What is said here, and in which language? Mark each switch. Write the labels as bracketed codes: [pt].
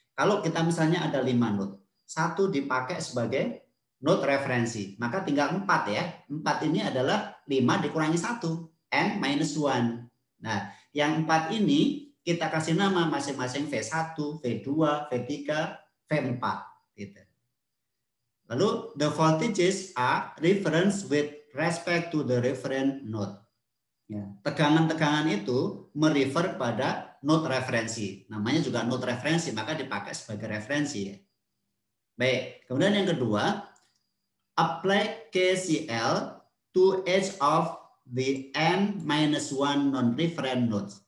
[id] Kalau kita misalnya ada 5 node, satu dipakai sebagai node referensi, maka tinggal 4 ya. 4 ini adalah 5 dikurangi 1, N-1. Nah, yang 4 ini kita kasih nama masing-masing V1, V2, V3, V4. Gitu. Lalu, [en] the voltages are reference with respect to the reference node. [id] Ya. Tegangan-tegangan itu merefer pada node referensi. Namanya juga node referensi, maka dipakai sebagai referensi. Ya. Baik, kemudian yang kedua, [en] apply KCL to each of the N-1 non-reference nodes.